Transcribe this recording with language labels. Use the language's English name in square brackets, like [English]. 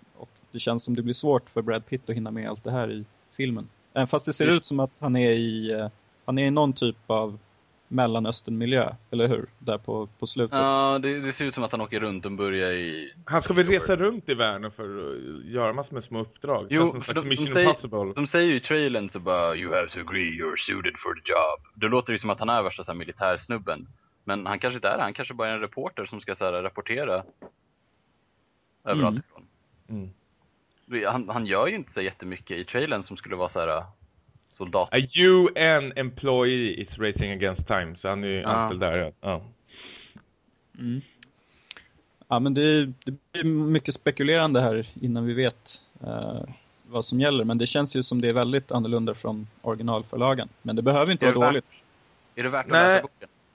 [Swedish] Och det känns som det blir svårt för Brad Pitt att hinna med allt det här i filmen. Även fast det ser ut som att han är i någon typ av Mellanöstern-miljö, eller hur? Där på slutet. Ja, det ser ut som att han åker runt och börjar i... Han ska väl resa runt i världen för att göra massor med små uppdrag. Jo, de säger ju i trailern så bara [English] you have to agree, you're suited for the job. [Swedish] Det låter ju som att han är värsta så här militärsnubben. Men han kanske inte är det. Han kanske bara är en reporter som ska så här rapportera överallt ifrån. Mm. Han gör ju inte så jättemycket i trailern som skulle vara så här... soldat. [English] A UN employee is racing against time. [Swedish] Så han är ju anställd där. Ja. Mm. Ja, men det blir mycket spekulerande här innan vi vet vad som gäller. Men det känns ju som det är väldigt annorlunda från originalförlagen. Men det behöver inte vara dåligt. Är det värt att läsa boken?